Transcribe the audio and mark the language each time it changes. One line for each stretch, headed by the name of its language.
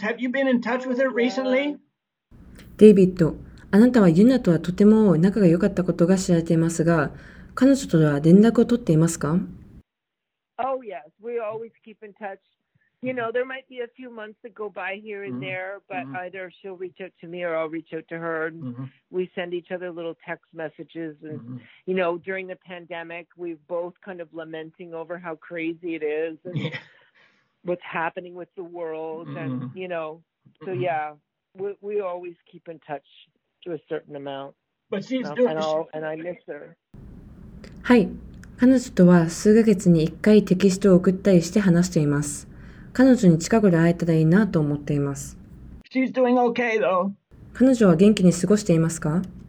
English: Have you been in touch with her recently?
Japanese: David, あなたはユナとはとても仲が良かったことが知られていますが、彼女とは連絡を取っていますか?
English: Oh, yes. We always keep in touch. You know, there might be a few months that go by here and there, but either she'll reach out to me or I'll reach out to her. And we send each other little text messages. And, you know, during the pandemic, we've both kind of lamenting over how crazy it is. And, what's happening with the world, and you know, so yeah, we always keep in touch to a certain amount. But she's doing and, all, and I miss her.
Japanese: はい、彼女とは数ヶ月に一回テキストを送ったりして話しています。彼女に近くで会えたらいいなと思っています。
English: She's doing okay, though.
Japanese: 彼女は元気に過ごしていますか?